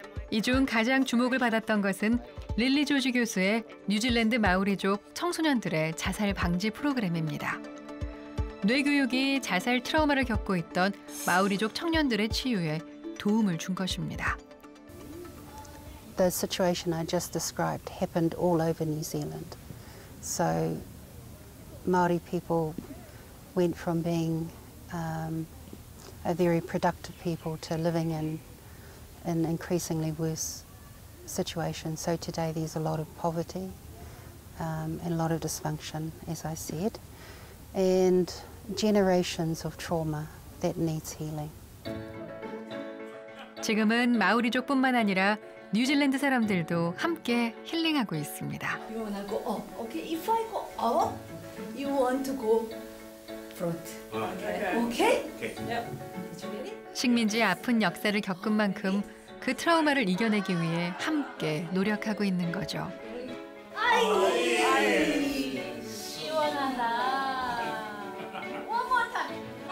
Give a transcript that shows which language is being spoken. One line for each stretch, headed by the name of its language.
Korean: 이 중 가장 주목을 받았던 것은 릴리 조지 교수의 뉴질랜드 마오리족 청소년들의 자살 방지 프로그램입니다. 뇌교육이 자살 트라우마를 겪고 있던 마오리족 청년들의 치유에 도움을 준 것입니다.
English: The situation I just described happened all over New Zealand. So Maori people went from being a very productive people to living in increasingly worse situations. So today there's a lot of poverty and a lot of dysfunction, as I said, and generations of trauma that needs healing.
Korean: 지금은 마오리족뿐만 아니라 뉴질랜드 사람들도 함께 힐링하고 있습니다.
English: You wanna go up? Okay. If I go up, you want to go front. Okay. Okay. Okay. Yep.
Korean: 식민지의 아픈 역사를 겪은 만큼 그 트라우마를 이겨내기 위해 함께 노력하고 있는 거죠. 아이, 시원하다.
English: One more time.